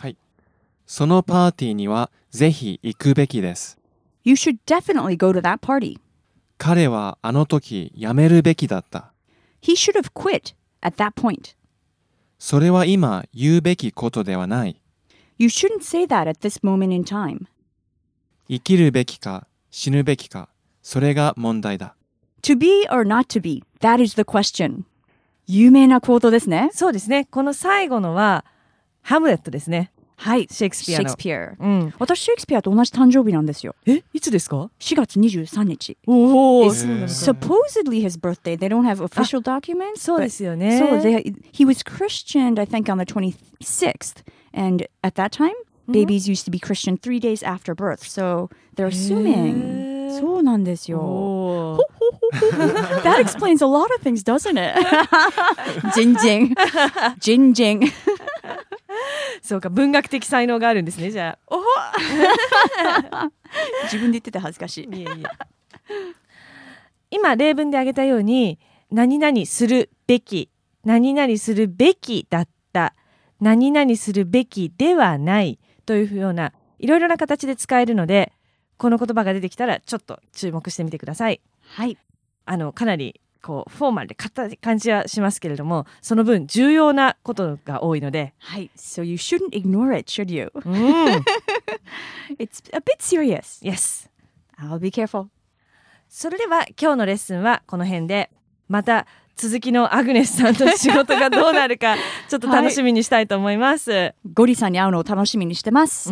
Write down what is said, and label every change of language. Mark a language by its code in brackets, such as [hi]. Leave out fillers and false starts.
[ja] はい、そのパーティーにはぜひ行くべきです。 [en] You should definitely go to that party. [ja] 彼はあの時辞めるべきだった。 [en] He should have quit at that point. [ja] それは今言うべきことではない。 [en] You shouldn't say that at this moment in time. [ja] 生きるべきか死ぬべきか、それが問題だ。 [en] To be or not to be, that is the question. [ja] 有名なクォートですね。そうですね。この最後のはハムレットですね。はい、シェイクスピアの。シェイクスピア。うん。私、シェイクスピアと同じ誕生日なんですよ。え、いつですか ?4 月23日。おぉ、そうなんですか。 [en] Supposedly his birthday. They don't have official documents. [ja] そうですよね。 [en] So they, he was christened, I think, on the 26th. And at that time, babies used to be christened 3 days after birth. So they're assuming. [ja] そうなんですよ。 [en] That explains a lot of things, doesn't it? [ja] ジンジン。ジンジン。そうか、文学的才能があるんですね、じゃあ。おほ自分で言ってて恥ずかしい。いやいや。今、例文で挙げたように、何々するべき、何々するべきだった、何々するべきではないというような、いろいろな形で使えるので、この言葉が出てきたら、ちょっと注目してみてください。はい。あの、かなり、こうフォーマルで硬い感じはしますけれども、その分重要なことが多いので、 [en] はい、So you shouldn't ignore it, should you? It's a bit serious. Yes, I'll be careful. [ja] それでは今日のレッスンはこの辺で、また続きのアグネスさんの仕事がどうなるかちょっと楽しみにしたいと思います。はい、ゴリさんに会うのを楽しみにしてます。